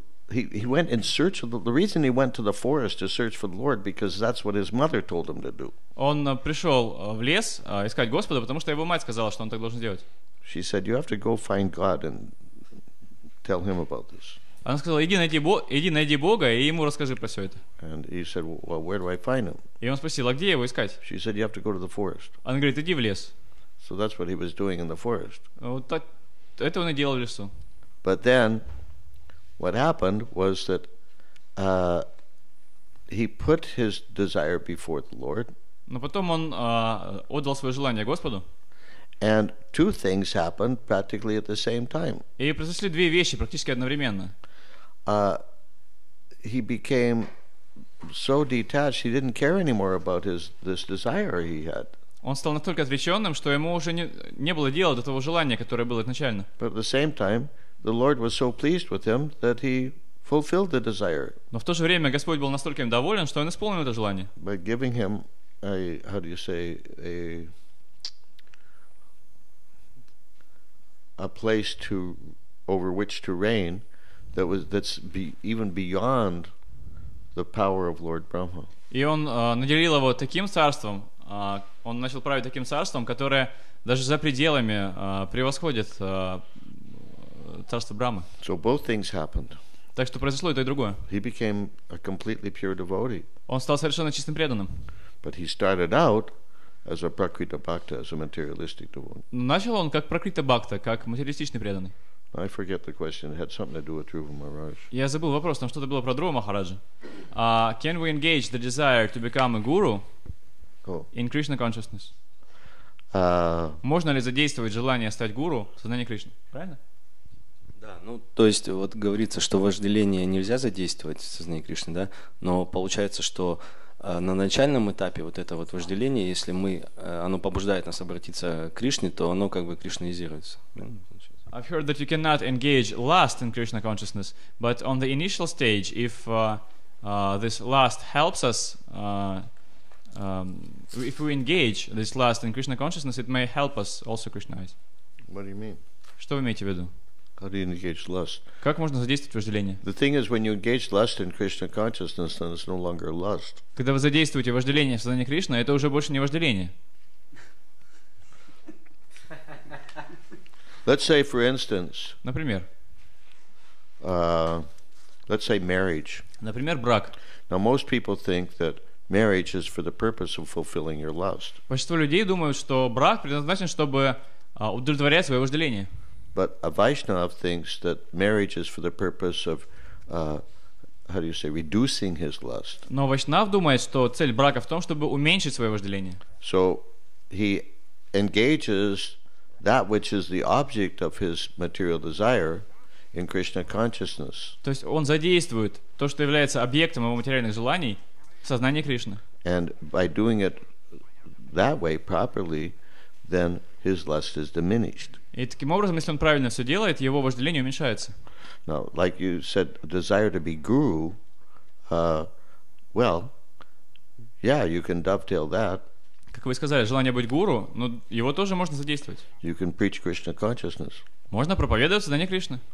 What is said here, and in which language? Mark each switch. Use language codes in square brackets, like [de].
[en] He went in search of the reason he went to the forest to search for the Lord because that's what his mother told him to do. [ru] Он пришел в лес искать Господа, потому что его мать сказала, что он так должен делать. [en] She said, "You have to go find God and tell him about this." [ru] Она сказала, иди найди Бога и ему расскажи про все это. [en] And he said, "Well, where do I find him?" [ru] И он спросил, а где его искать? [en] She said, "You have to go to the forest." [ru] Она говорит, иди в лес. [en] So that's what he was doing in the forest. [ru] Вот так это он и делал в лесу. [en] But then what happened was that he put his desire before the Lord. [ru] Но потом он отдал свое желание Господу. [en] And two things happened practically at the same time. [ru] И произошли две вещи практически одновременно. [en] He became so detached, he didn't care anymore about this desire he had. [ru] Он стал настолько отвлеченным, что ему уже не было дела до того желания, которое было изначально. [en] But at the same time, the Lord was so pleased with him that he fulfilled the desire. [ru] Но в то же время Господь был настолько им доволен, что он исполнил это желание. [en] By giving him a, how do you say, a place to over which to reign that was that's be, even beyond the power of Lord Brahma. [ru] И он наделил его таким царством. Он начал править таким царством, которое даже за пределами превосходит царство Брахмы. [en] So both things happened. [ru] Так что произошло и то, и другое. [en] He became a completely pure devotee. [ru] Он стал совершенно чистым преданным. [en] But he started out as a prakrita bhakta, as a materialistic devotee. [ru] Начал он как пракрита бхакта, как материалистичный преданный. [en] I forget the question. It had something to do with Dhruva Maharaj. [ru] Я забыл вопрос, там что-то было про Дхрува Махараджа. [en] Can we engage the desire to become a guru in Krishna consciousness? [ru] Можно ли задействовать желание стать гуру в сознании Кришны? Правильно? Да, ну то есть вот говорится, что вожделение нельзя задействовать в сознании Кришны, да? Но получается, что на начальном этапе вот это вот вожделение, если мы, оно побуждает нас обратиться к Кришне, то оно как бы кришнаизируется. [en] I've heard that you cannot engage lust in Krishna consciousness, but on the initial stage, if this lust helps us, if we engage this lust in Krishna consciousness, it may help us also Krishnaize. What do you mean? [ru] Что вы имеете в виду? [en] How do you engage lust? [ru] Как можно задействовать вожделение? [en] The thing is, when you engage lust in Krishna consciousness, then it's no longer lust. [ru] Когда вы задействуете вожделение в сознании Кришны, это уже больше не вожделение. [en] Let's say, for instance, [ru] например, [en] let's say marriage. [ru] Например, брак. [en] Now most people think that marriage is for the purpose of fulfilling your lust. [ru] Большинство людей думают, что брак предназначен, чтобы удовлетворять свое вожделение. [en] But a Vaishnava thinks that marriage is for the purpose of, how do you say, reducing his lust. [ru] Но Вайшнав думает, что цель брака в том, чтобы уменьшить свое вожделение. [en] So he engages that which is the object of his material desire in Krishna consciousness. [ru] То есть он задействует то, что является объектом его материальных желаний в сознании Кришны. [en] And by doing it that way properly, then his lust is diminished. [ru] И таким образом, если он правильно все делает, его вожделение уменьшается. [en] Now, like you said, desire to be guru, well, yeah, you can dovetail that. [ru] Как вы сказали, желание быть гуру, но его тоже можно задействовать. [en] You can preach Krishna consciousness. [ru] Можно проповедовать сознание Кришны.